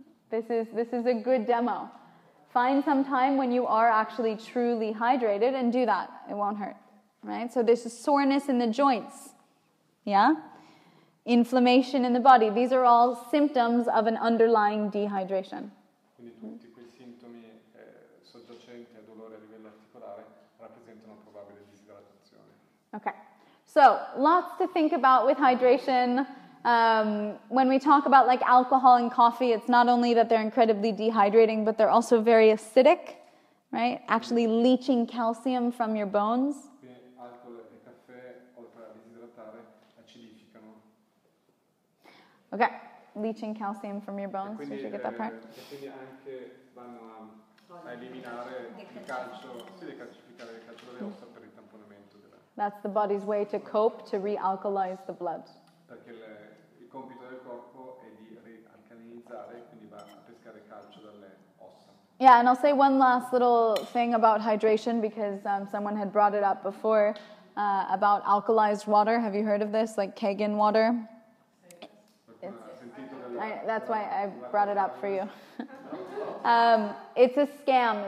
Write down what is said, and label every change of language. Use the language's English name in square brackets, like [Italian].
[English] This is a good demo. Find some time when you are actually truly hydrated and do that. It won't hurt, right? So there's a soreness in the joints, yeah? Inflammation in the body. These are all symptoms of an underlying dehydration. [Italian] Quindi tutti quei sintomi soggiacenti a dolore a livello articolare rappresentano probabile disidratazione. [English] Okay, so lots to think about with hydration. When we talk about like alcohol and coffee, it's not only that they're incredibly dehydrating, but they're also very acidic, right? Actually leaching calcium from your bones. [Italian] Alcohol e caffè, oltre a disidratare, acidificano. [English] Okay, leaching calcium from your bones. [Italian] Quindi, [English] so you get that part? [Italian] E quindi anche vanno a eliminare il calcio, sì, decalcificare il calcio delle ossa per il tamponamento. [English] That's the body's way to cope, to re-alkalize the blood. [Italian] Perché il compito del corpo è di rialcalinizzare, quindi va a pescare calcio dalle ossa. [English] Yeah, and I'll say one last little thing about hydration, because someone had brought it up before about alkalized water. Have you heard of this, like Kagan water? That's why I brought it up for you. It's a scam.